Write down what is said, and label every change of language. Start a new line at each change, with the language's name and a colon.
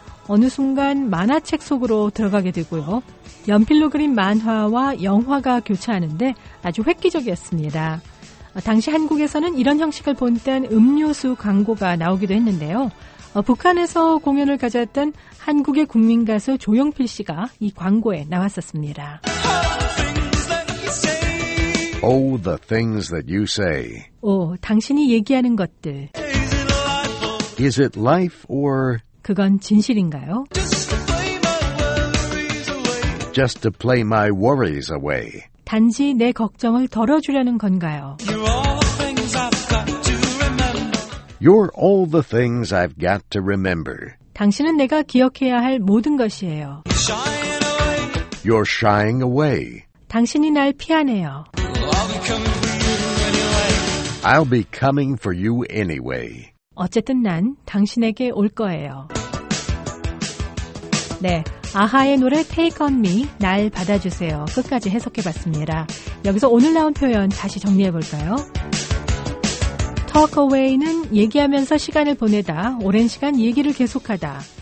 Korean: 어느 순간 만화책 속으로 들어가게 되고요. 연필로 그린 만화와 영화가 교차하는데 아주 획기적이었습니다. 당시 한국에서는 이런 형식을 본뜬 음료수 광고가 나오기도 했는데요. 북한에서 공연을 가졌던 한국의 국민가수 조용필 씨가 이 광고에 나왔었습니다.
English: Oh, the things that you say.
Korean: 오, 당신이 얘기하는 것들.
English: Is it life or...
Korean: 그건 진실인가요?
English: Just to play my worries away.
Korean: 단지 내 걱정을 덜어주려는 건가요?
English: You're all the things I've got to remember. You're all the things I've got to remember.
Korean: 당신은 내가 기억해야 할 모든 것이에요.
English: Shying away. You're shying away.
Korean: 당신이 날 피하네요.
English: I'll be coming for you anyway.
Korean: 어쨌든 난 당신에게 올 거예요. 네, 아하의 노래 Take on Me, 날 받아주세요. 끝까지 해석해봤습니다. 여기서 오늘 나온 표현 다시 정리해볼까요? Talk away는 얘기하면서 시간을 보내다, 오랜 시간 얘기를 계속하다.